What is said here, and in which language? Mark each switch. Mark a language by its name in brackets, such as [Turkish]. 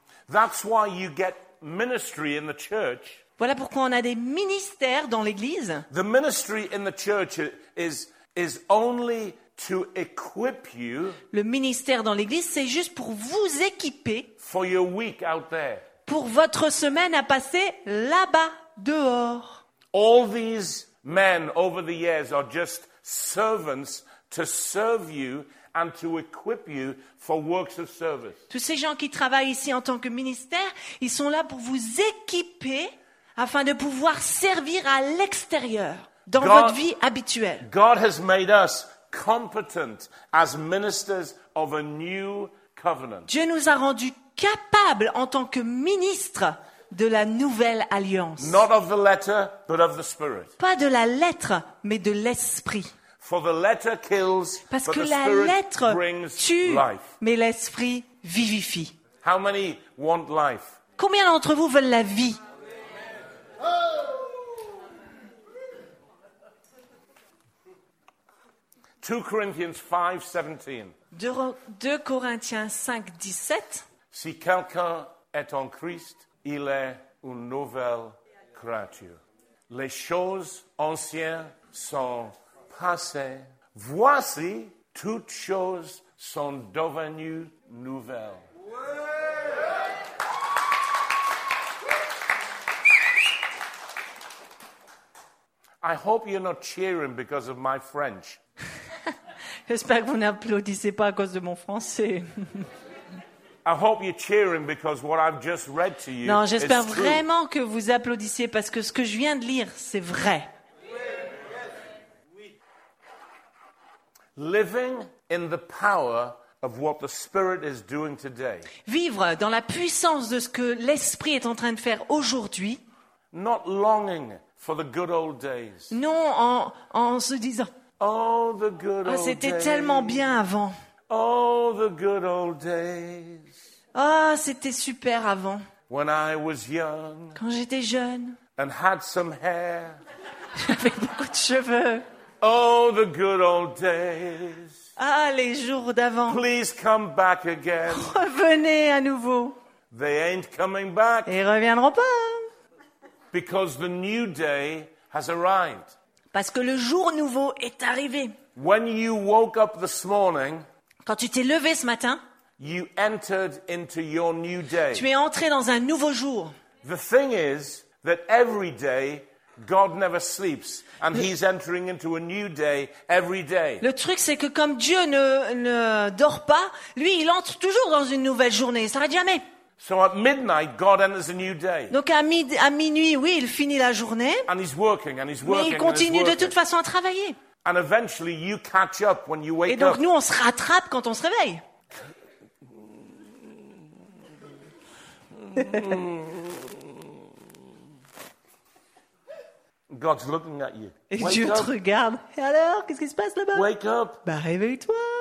[English] That's why you get ministry in the church. [French] Voilà pourquoi on a des ministères dans l'église. [English] The ministry in the church is only to equip you. [French] Le ministère dans l'église, c'est juste pour vous équiper. [English] For your week out there. [French] Pour votre semaine à passer là-bas, dehors. [English] All these men over the years are just servants to serve you. And to equip you for works of service. [French] Tous ces gens qui travaillent ici en tant que ministère, ils sont là pour vous équiper afin de pouvoir servir à l'extérieur, dans [English] God, [French] votre vie habituelle. [English] God has made us competent as ministers of a new covenant. [French] Dieu nous a rendus capables en tant que ministres de la nouvelle alliance. [English] Not of the letter, but of the spirit. [French] Pas de la lettre, mais de l'esprit. [English] For the letter kills, [French] parce [English] but [French] que [English] the [French] la [English] spirit [French] lettre [English] brings [French] tue, [English] life. [French] Mais l'esprit vivifie. [English] How many want life? [French] Combien d'entre vous veulent la vie? [English] 2 Corinthians 5:17. [French] 2 Corinthiens 5:17. Si quelqu'un est en Christ, il est une nouvelle créature. Les choses anciennes sont passées. Voici, toutes choses sont devenues nouvelles. [English] I hope you're not cheering because of my French. [French] J'espère que vous n'applaudissez pas à cause de mon français. [English] I hope you're cheering because what I've just read to you. [French] Non, j'espère vraiment que vous applaudissiez parce que ce que je viens de lire, c'est vrai. [English] Living in the power of what the Spirit is doing today. [French] Vivre dans la puissance de ce que l'Esprit est en train de faire aujourd'hui. [English] Not longing for the good old days. [French] Non, en se disant. [English] Oh, the good old days. [French] C'était tellement bien avant. [English] Oh, the good old days. [French] Ah, c'était super avant. [English] When I was young. [French] Quand j'étais jeune. [English] And had some hair. [French] J'avais beaucoup de cheveux. [English] Oh, the good old days. [French] Ah, les jours d'avant. [English] Please come back again. [French] Revenez à nouveau. [English] They ain't coming back. [French] Ils reviendront pas. [English] Because the new day has arrived. [French] Parce que le jour nouveau est arrivé. [English] When you woke up this morning, [French] quand tu t'es levé ce matin, [English] you entered into your new day. [French] Tu es entré dans un nouveau jour. [English] The thing is that every day God never sleeps, and He's entering into a new day every day. [French] Le truc, c'est que comme Dieu ne dort pas, lui, il entre toujours dans une nouvelle journée. Il s'arrête jamais. [English] So at midnight, God enters a new day. [French] Donc à minuit, oui, il finit la journée. [English] And he's working, and he's working, [French] mais il continue de toute façon à travailler. [English] And eventually you catch up when you wake [French] et donc [English] up. [French] Nous, on se rattrape quand on se réveille. [English] God's looking at you. [French] Et Dieu te regarde. Et alors, qu'est-ce qui se passe là-bas? [English] Wake up. [French] Bah, réveille-toi.